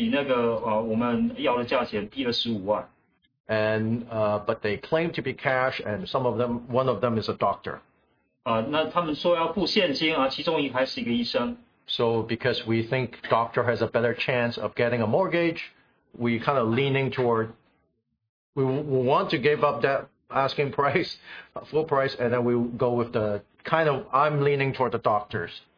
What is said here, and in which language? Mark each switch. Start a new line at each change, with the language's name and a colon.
Chinese: 有的买家他出的价钱甚至比那个我们要的价钱低了15万。
English: And but they claim to be cash, and some of them, one of them is a doctor.
Chinese: 那他们说要付现金，其中一还是一个医生。
English: So because we think doctor has a better chance of getting a mortgage, we kind of leaning toward, we want to give up that asking price, full price, and then we go with the kind of, I'm leaning toward the doctors.